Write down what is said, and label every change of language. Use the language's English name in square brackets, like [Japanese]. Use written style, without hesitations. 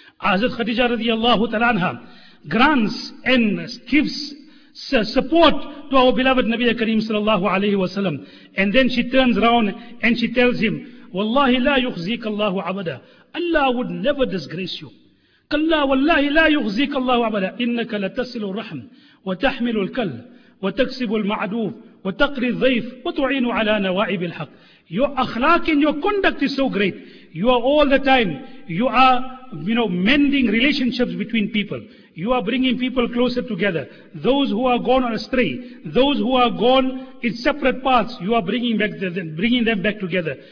[English] Hazrat Khadija radiallahu ta'ala anha grants and gives support to our beloved Nabi Kareem sallallahu alayhi wa sallam. And then she turns around and she tells him, Wallahi la yukhzik Allahu abada, Allah would never disgrace you. [Arabic] قال والله لا يخزيك الله أبدا إنك لتصل الرحم وتحمل الكل وتكسب المعدوف وتقري الضيف وتعين على نوائب الحق. [English] Your akhlaq and your conduct is so great. You are all the time, you are, you know, mending relationships between people. You are bringing people closer together. Those who are gone astray, those who are gone in separate paths, you are bringing them back together.